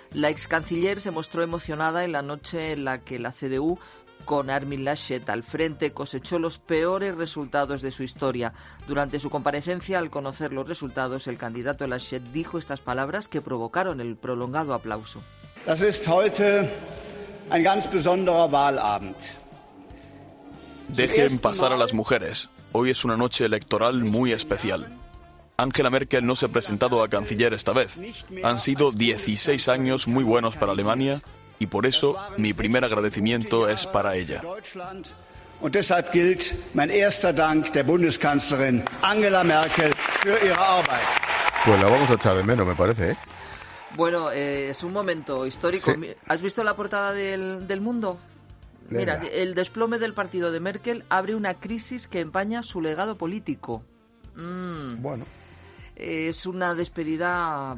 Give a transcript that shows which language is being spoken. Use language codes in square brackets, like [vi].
[es] La ex canciller se mostró emocionada en la noche en la que la CDU, con Armin Laschet al frente, cosechó los peores resultados de su historia. Durante su comparecencia, al conocer los resultados, el candidato Laschet dijo estas palabras que provocaron el prolongado aplauso. [de] Das ist heute ein ganz besonderer Wahlabend. [es] Dejen pasar a las mujeres. Hoy es una noche electoral muy especial. Angela Merkel no se ha presentado a canciller esta vez. Han sido 16 años muy buenos para Alemania. Y por eso, mi primer agradecimiento es para ella. [de] Und deshalb gilt mein erster Dank der Bundeskanzlerin Angela Merkel für ihre Arbeit. [es] Pues la vamos a echar de menos, me parece, ¿eh? Bueno, es un momento histórico. Sí. ¿Has visto la portada del Mundo? Mira, venga. El desplome del partido de Merkel abre una crisis que empaña su legado político. Bueno. Es una despedida,